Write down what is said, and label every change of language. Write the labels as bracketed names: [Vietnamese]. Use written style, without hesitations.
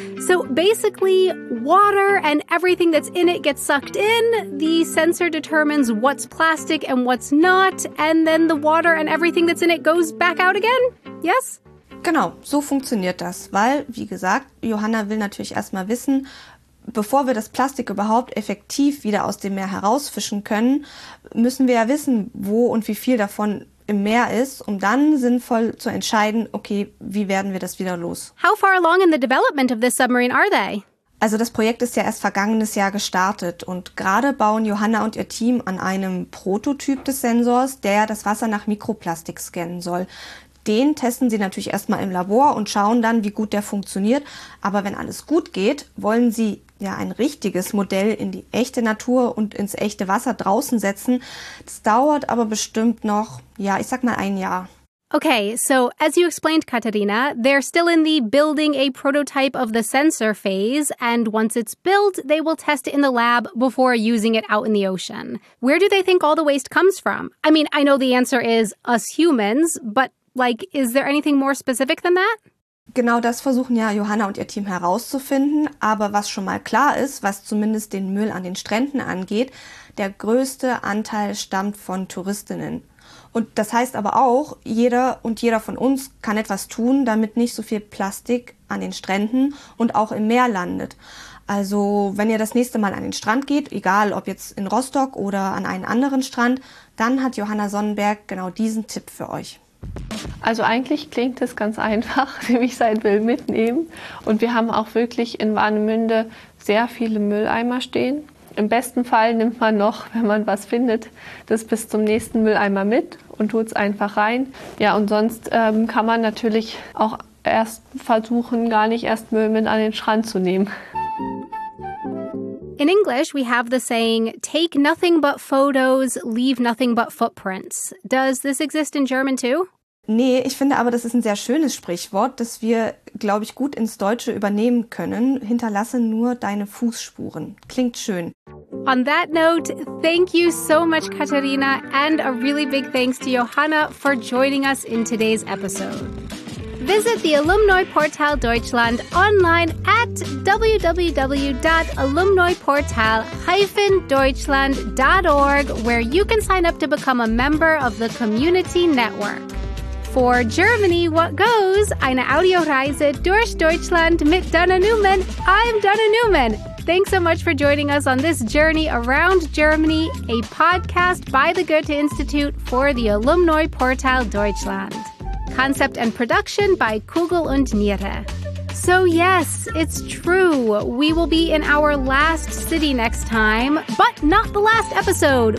[English] So basically, water and everything that's in it gets sucked in. The sensor determines what's plastic and what's not, and then the water and everything that's in it goes back out again? Yes? [German] Genau, so funktioniert das, weil, wie gesagt, Johanna will natürlich erstmal wissen, bevor wir das Plastik überhaupt effektiv wieder aus dem Meer herausfischen können, müssen wir ja wissen, wo und wie viel davon im Meer ist, um dann sinnvoll zu entscheiden, okay, wie werden wir das wieder los? [English] How far along in the development of this submarine are they? [German] Also das Projekt ist ja erst vergangenes Jahr gestartet und gerade bauen Johanna und ihr Team an einem Prototyp des Sensors, der das Wasser nach Mikroplastik scannen soll. Den testen sie natürlich erstmal im Labor und schauen dann, wie gut der funktioniert. Aber wenn alles gut geht, wollen sie ja ein richtiges Modell in die echte Natur und ins echte Wasser draußen setzen. Das dauert aber bestimmt noch, ja, ich sag mal ein Jahr. [English] Okay, so as you explained, Katerina, they're still in the building a prototype of the sensor phase. And once it's built, they will test it in the lab before using it out in the ocean. Where do they think all the waste comes from? I mean, I know the answer is us humans, but like, is there anything more specific than that? [German] Genau das versuchen ja Johanna und ihr Team herauszufinden. Aber was schon mal klar ist, was zumindest den Müll an den Stränden angeht, der größte Anteil stammt von Touristinnen. Und das heißt aber auch, jeder und jeder von uns kann etwas tun, damit nicht so viel Plastik an den Stränden und auch im Meer landet. Also wenn ihr das nächste Mal an den Strand geht, egal ob jetzt in Rostock oder an einen anderen Strand, dann hat Johanna Sonnenberg genau diesen Tipp für euch. Also eigentlich klingt es ganz einfach, nämlich sein Müll mitnehmen. Und wir haben auch wirklich in Warnemünde sehr viele Mülleimer stehen. Im besten Fall nimmt man noch, wenn man was findet, das bis zum nächsten Mülleimer mit und tut es einfach rein. Ja, und sonst kann man natürlich auch erst versuchen, gar nicht erst Müll mit an den Strand zu nehmen. [English] In English, we have the saying, take nothing but photos, leave nothing but footprints. Does this exist in German too? [German] Nee, ich finde aber, das ist ein sehr schönes Sprichwort, das wir, glaube ich, gut ins Deutsche übernehmen können. Hinterlasse nur deine Fußspuren. Klingt schön. [English] On that note, thank you so much, Katerina, and a really big thanks to Johanna for joining us in today's episode. Visit the Alumni Portal Deutschland online at www.alumniportal-deutschland.org, where you can sign up to become a member of the community network. for Germany What Goes, [German] eine Audioreise durch Deutschland mit Dana Newman. [English] I'm Dana Newman. Thanks so much for joining us on this journey around Germany, a podcast by the Goethe-Institute for the Alumni Portal Deutschland. Concept and production by Kugel und Niere. So yes, it's true. We will be in our last city next time, but not the last episode.